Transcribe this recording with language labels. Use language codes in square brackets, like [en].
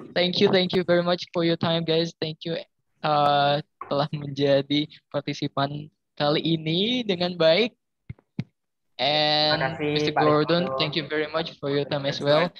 [en] Thank you very much for your time, guys. Thank you [id] telah menjadi partisipan kali ini dengan baik. [en] And [id] kasih, [en] Mr. Gordon, thank you very much for your time as well.